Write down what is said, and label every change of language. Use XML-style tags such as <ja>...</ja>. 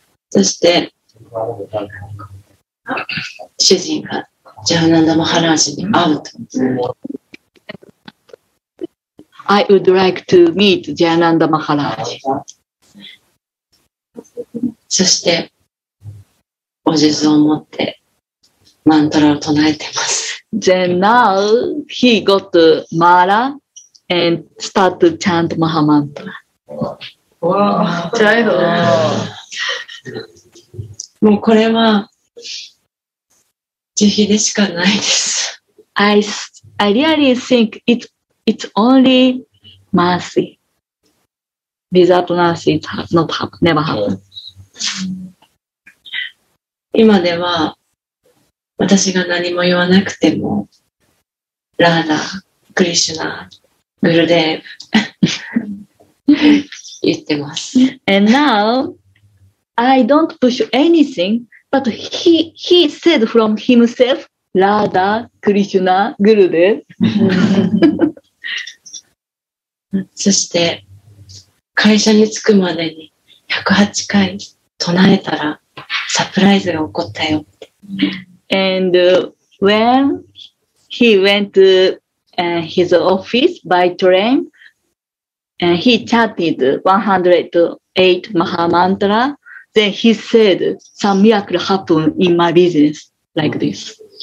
<ja>そして主人がジャーナンダ・マハラージに会うと。</ja> <en>I would like to meet ジャーナンダ・マハラージ。</en> <ja>そしてお地蔵を持ってマントラを唱えてます。</ja> <en>Then now he got to Mala and start to chant Maha Mantra. Wow,</en> <ja>もうこれは慈悲でしかないです。</ja> <en>I really think it's only mercy. Without mercy, it's not never happen.</en> <ja>今では私が何も言わなくてもラーナ、クリシュナ、グルデーブ言ってます。</ja> <en>And now I don't push anything, but he said from himself, ラーダ、クリシュナ、グルデーブ。</en> <ja>そして会社に着くまでに108回唱えたらサプライズが起こったよって。</ja> <en>And when he went to his office by train, he chanted 108 Maha Mantra, then he said, some miracle happened in my business, like this.</en>